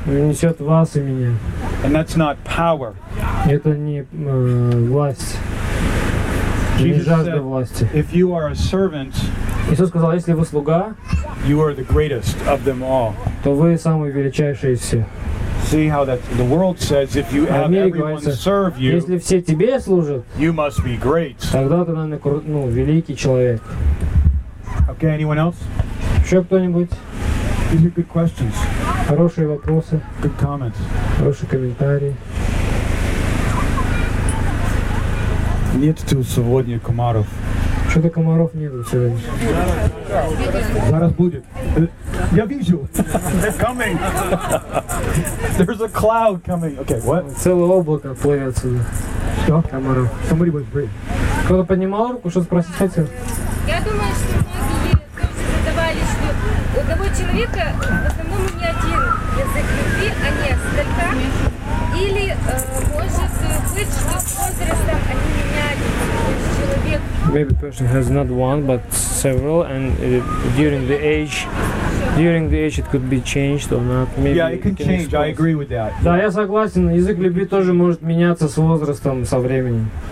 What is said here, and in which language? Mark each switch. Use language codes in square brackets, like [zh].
[ru] Несет вас и меня. [en] And that's not power. [ru] Это не власть. [en] Jesus said, if you are a servant, [ru] Иисус сказал, если вы слуга, [en] you are the greatest of them all. [ru] То вы самый величайший из всех. [en] See how that the world says if you have everyone serve you, [ru] если все тебе служат, [en] you must be great. [ru] Тогда ты, наверное, ну, великий человек. [en] Okay, anyone else? [ru] Еще кто-нибудь? [en] These are good questions. [ru] Хорошие вопросы. [en] Good comments. [ru] Хорошие комментарии. Нет тут сегодня комаров. Что-то комаров нету сегодня. Зараз будет. Я вижу. [en] It's coming. There's a cloud coming. Okay, what? [ru] Целое облако плывет сюда. Что? Комаров. [en] Somebody was brave. [ru] Кто-то поднимал руку, что спросить хотел? Я думаю, что многие задавали, что у одного человека в основном не один язык любви, а несколько. Или может быть, что с возрастом они меняли человек. [en] Maybe person has not one, but several, and during the age it could be changed or not. Maybe yeah, it can change. Expose. I agree with that. [ru] Да, я согласен. Язык любви тоже может меняться с возрастом, со временем.